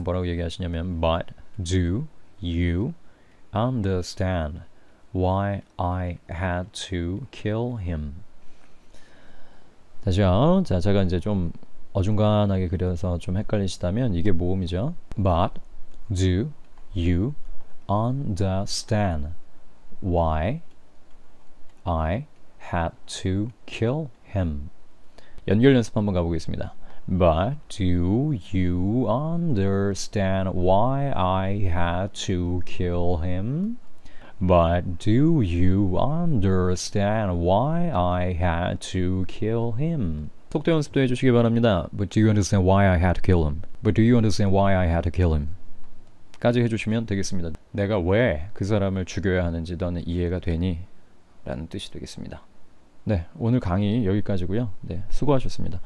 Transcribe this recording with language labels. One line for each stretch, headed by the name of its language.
Korean: 뭐라고 얘기하시냐면
English: But do you understand why I had to kill him?
Korean: 다시요. 자, 제가 이제 좀 어중간하게 그려서 좀 헷갈리시다면 이게 모음이죠.
English: But do you understand why I had to kill him?
Korean: 연결 연습 한번 가보겠습니다.
English: But do you understand why I had to kill him? But do you understand why I had to kill him?
Korean: 속도 연습도 해주시기 바랍니다.
English: But do you understand why I had to kill him? But do you understand why I had to kill him?
Korean: 까지 해주시면 되겠습니다. 내가 왜 그 사람을 죽여야 하는지 너는 이해가 되니? 라는 뜻이 되겠습니다. 네, 오늘 강의 여기까지고요. 네, 수고하셨습니다.